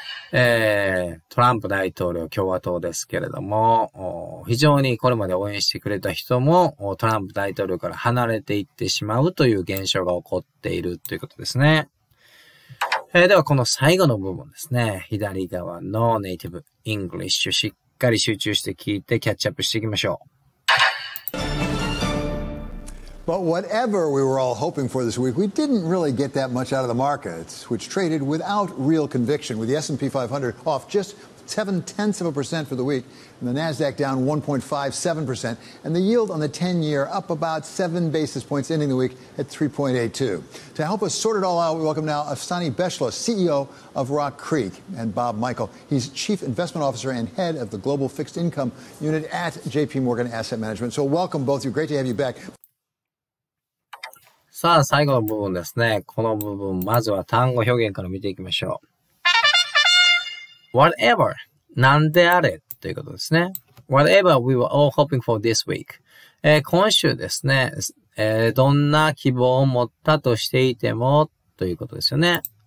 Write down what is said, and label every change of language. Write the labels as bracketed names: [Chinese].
[Japanese] トランプ大統領、共和党ですけれども、非常にこれまで応援してくれた人もトランプ大統領から離れていってしまうという現象が起こっているということですね。ではこの最後の部分ですね、左側のネイティブイングリッシュ、しっかり集中して聞いてキャッチアップしていきましょう。 [English] But whatever we were all hoping for this week, we didn't really get that much out of the markets, which traded without real conviction, with the S&P 500 off just 7/10 of a percent for the week, and the Nasdaq down 1.57%, and the yield on the 10-year up about 7 basis points, ending the week at 3.82. To help us sort it all out, we welcome now Afsani Beshla, CEO of Rock Creek, and Bob Michael. He's Chief Investment Officer and Head of the Global Fixed Income Unit at JP Morgan Asset Management. So welcome both of you. Great to have you back. [Japanese] さあ、最後の部分ですね。この部分、まずは単語表現から見ていきましょう。 whatever, なんであれということですね。 [English] whatever we were all hoping for this week.、 [Japanese] 今週ですね、どんな希望を持ったとしていてもということですよね。